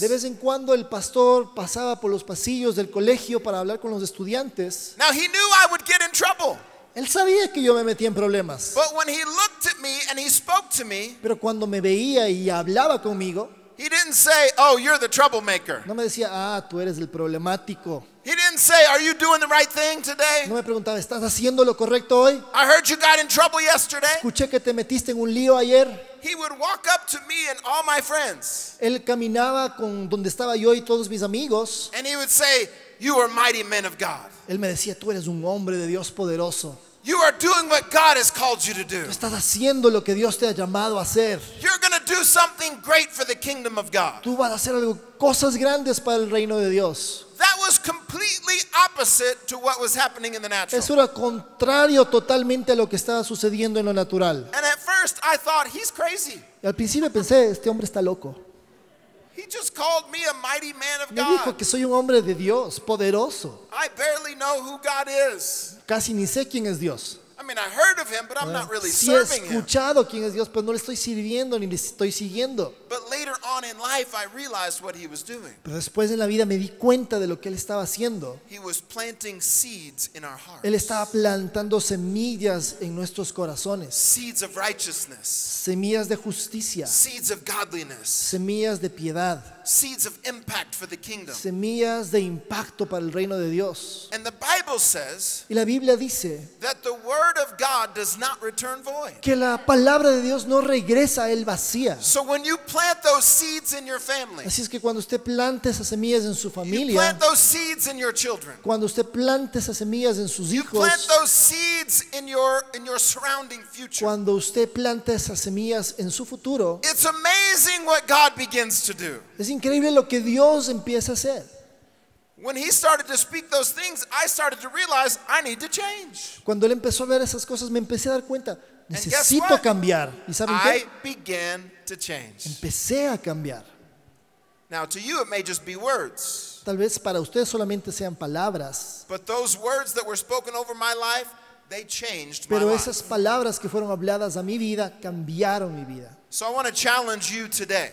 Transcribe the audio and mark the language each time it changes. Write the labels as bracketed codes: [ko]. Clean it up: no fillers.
[es] De vez en cuando el pastor pasaba por los pasillos del colegio para hablar con los estudiantes. [en] Now he knew I would get in trouble. [es] Él sabía que yo me metía en problemas. [en] But when he looked at me and he spoke to me, [es] pero cuando me veía y hablaba conmigo, [en] he didn't say, "Oh, you're the troublemaker." [es] No me decía, "Ah, tú eres el problemático." [en] He didn't say, "Are you doing the right thing today?" [es] No me preguntaba, "¿Estás haciendo lo correcto hoy?" [en] I heard you got in trouble yesterday. [es] Escuché que te metiste en un lío ayer. [en] He would walk up to me and all my friends. [es] Él caminaba con donde estaba yo y todos mis amigos. [en] And he would say, "You are mighty men of God." [es] Él me decía, "Tú eres un hombre de Dios poderoso." [en] You are doing what God has called you to do. [es] Estás haciendo lo que Dios te ha llamado a hacer. [en] You're going to do something great for the kingdom of God. [es] Tú vas a hacer algo, cosas grandes para el reino de Dios. [en] That was completely opposite to what was happening in the natural. [es] Eso era contrario totalmente a lo que estaba sucediendo en lo natural. [en] And at first I thought he's crazy. [es] Y al principio pensé, este hombre está loco. [en] He just called me a mighty man of God. [es] Me dijo que soy un hombre de Dios, poderoso. [en] I barely know who God is. [es] Casi ni sé quién es Dios. [en] I mean, I heard of him, but I'm not really serving him. [es] Sí he escuchado quién es Dios, pero no le estoy sirviendo ni le estoy siguiendo. [en] But later on in life, I realized what he was doing. [es] Pero después en la vida me di cuenta de lo que él estaba haciendo. [en] He was planting seeds in our hearts. [es] Él estaba plantando semillas en nuestros corazones. [en] Seeds of righteousness. [es] Semillas de justicia. [en] Seeds of godliness. [es] Semillas de piedad. [en] Seeds of impact for the kingdom. [es] Semillas de impacto para el reino de Dios. [en] And the Bible says [es] y la Biblia dice [en] that the word of God does not return void. [es] Que la palabra de Dios no regresa el vacía. [en] So when you plant those seeds in your family, [es] así es que cuando usted plante esas semillas en su familia, [en] you plant those seeds in your children, [es] cuando usted plante esas semillas en sus hijos, [en] you plant those seeds in your surrounding future, [es] cuando usted plante esas semillas en su futuro, [en] it's amazing what God begins to do. [es] Es increíble lo que Dios empieza a hacer. [en] When he started to speak those things, I started to realize I need to change. [es] Cuando él empezó a ver esas cosas, me empecé a dar cuenta, necesito cambiar. ¿Y saben qué? [en] I began to change. [es] Empecé a cambiar. [en] Now, to you it may just be words. [es] Tal vez para usted solamente sean palabras. [en] But those words that were spoken over my life, they changed my life. [es] Pero esas palabras que fueron habladas a mi vida cambiaron mi vida. [en] So I want to challenge you today.